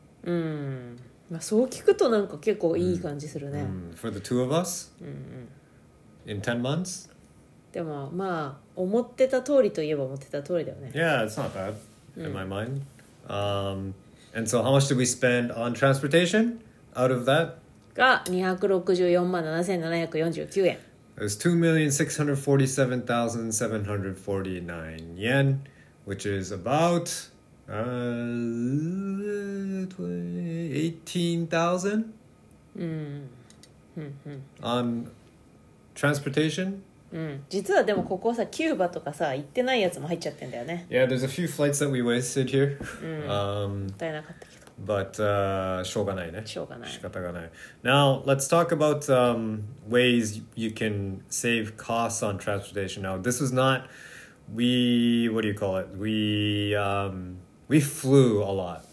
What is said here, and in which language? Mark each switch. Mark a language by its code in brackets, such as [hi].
[ja] うん、まあ、そう聞くとなんか結構いい感じするね、うんうん、 [en] for the two of us、うんうん、 in 10 months [ja] でもまあ思ってた通りといえば思ってた通りだよね [en] Yeah, it's not bad in、うん、my mind、and so how much did we spend on transportation out of that [ja] が264,7749円。 [en] It was 2,647,749 yen, which is about 18,000. On transportation. [ja] 実はでもここさキューバとかさ行ってないやつも入っちゃってんだよね。 [en] Yeah, there's a few flights that we wasted here. [ja] 足りなかったけど。 But, しょうがないね。しょうがない。仕方がない。 [en] Now, let's talk about, ways you can save costs on transportation. Now, this was not, we flew a lot.